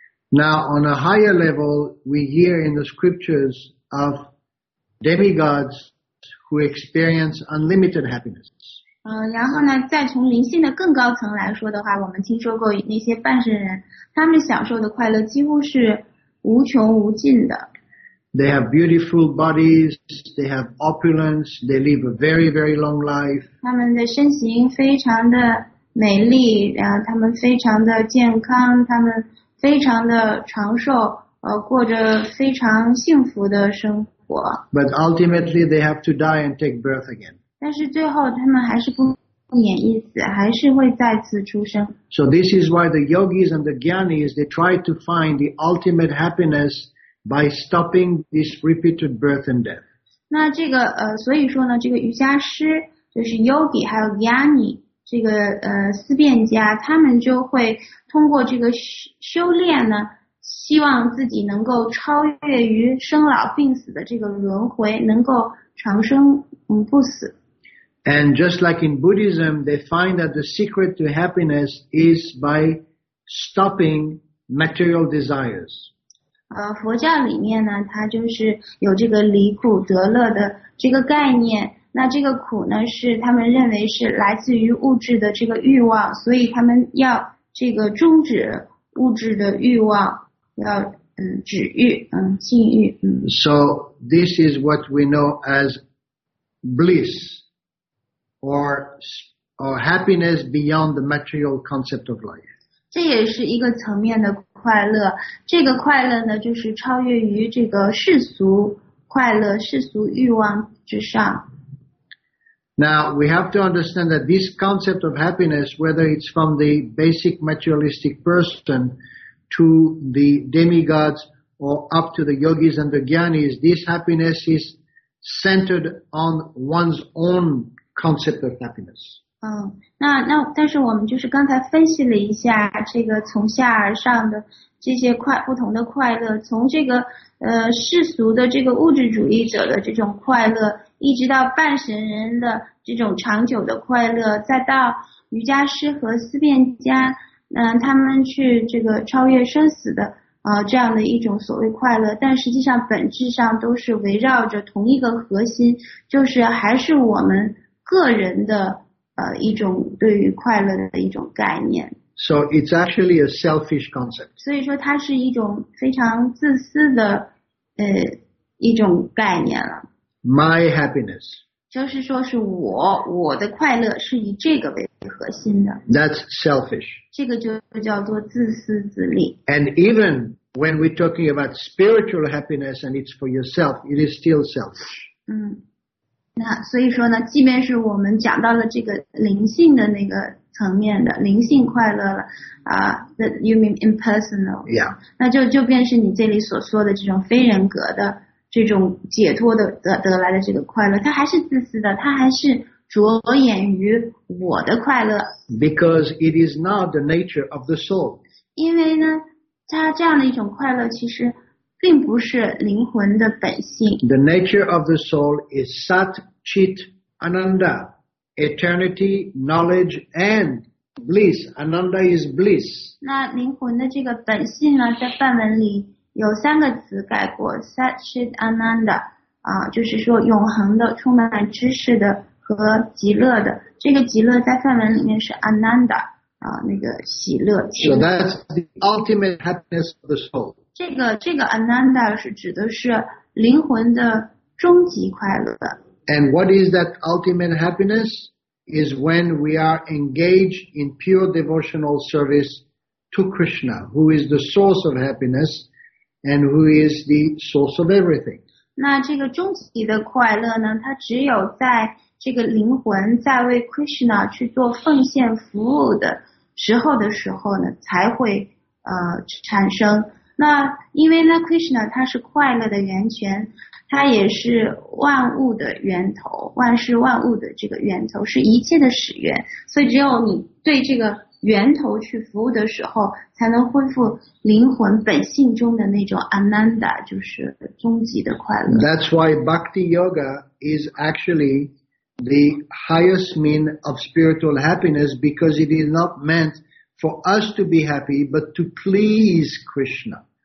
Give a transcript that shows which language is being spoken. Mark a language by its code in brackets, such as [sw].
[en] Now, on a higher level, we hear in the scriptures of demigods who experience unlimited happiness. [zh] 然后呢，再从灵性的更高层来说的话，我们听说过那些半神人，他们享受的快乐几乎是无穷无尽的。 [en] They have beautiful bodies, they have opulence, they live a very, very long life. [zh] 他们的身形非常的美丽，然后他们非常的健康，他们非常的长寿，过着非常幸福的生活。 [en] But ultimately they have to die and take birth again. [zh] 但是最后他们还是不免一死，还是会再次出生。 [en] So this is why the yogis and the gyanis, they try to find the ultimate happiness by stopping this repeated birth and death. [zh] 那这个所以说呢，这个瑜伽师就是 yogi 还有 gyani 这个思辨家，他们就会通过这个修炼呢，希望自己能够超越于生老病死的这个轮回，能够长生不死。 [en] And just like in Buddhism, they find that the secret to happiness is by stopping material desires. [zh] 佛教里面呢，它就是有这个离苦得乐的这个概念。那这个苦呢，是他们认为是来自于物质的这个欲望，所以他们要这个终止物质的欲望。 [en] So this is what we know as bliss or happiness beyond the material concept of life. [zh] 这也是一个层面的快乐，这个快乐呢，就是超越于这个世俗快乐、世俗欲望之上。 [en] Now we have to understand that this concept of happiness, whether it's from the basic materialistic person to the demigods or up to the yogis and the gyanis, this happiness is centered on one's own concept of happiness. [zh] 那但是我们就是刚才分析了一下这个从下而上的这些不同的快乐，从这个世俗的这个物质主义者的这种快乐，一直到半神人的这种长久的快乐，再到瑜伽师和思辨家。他们去这个超越生死的这样的一种所谓快乐，但实际上本质上都是围绕着同一个核心，就是还是我们个人的一种对于快乐的一种概念。 [en] So it's actually a selfish concept. [zh] 所以说它是一种非常自私的一种概念了。 [en] My happiness. [zh] 就是说是我的快乐是以这个为核心的。 [en] That's selfish. [zh] 这个就叫做自私自利。 [en] And even when we're talking about spiritual happiness and it's for yourself, it is still selfish. [zh] 那所以说呢，即便是我们讲到了这个灵性的那个层面的灵性快乐了 [en] that you mean impersonal. Yeah. [zh] 那就便是你这里所说的这种非人格的这种解脱的得来的这个快乐，它还是自私的，它还是着眼于我的快乐。 [en] Because it is not the nature of the soul. [zh] 因为呢，它这样的一种快乐其实并不是灵魂的本性。 [en] The nature of the soul is Sat Chit Ananda, eternity, knowledge, and bliss. Ananda is bliss. [zh] 那灵魂的这个本性呢，在梵文里。有三个词概括 Sat Chit Ananda 就是说永恒的充满知识的和极乐的，这个极乐在梵文里面是 Ananda 那个喜乐。 [en] So that's the ultimate happiness of the soul. [zh] 这个 Ananda 是指的是灵魂的终极快乐。 [en] And what is that ultimate happiness? Is when we are engaged in pure devotional service to Krishna, who is the source of happinessand who is the source of everything. [zh] 那这个终极的快乐呢，它只有在这个灵魂在为 Krishna 去做奉献服务的时候的时候呢，才会产生。那因为呢 Krishna 他是快乐的源泉，他也是万物的源头，万事万物的这个源头，是一切的始源，所以只有你对这个源头去服务的时候，才能恢复灵魂本性中的那种 ananda， 就是终极的快乐。 [en] That's why bhakti yoga is actually the highest mean of spiritual happiness, because it is not meant for us to be happy but to please Krishna.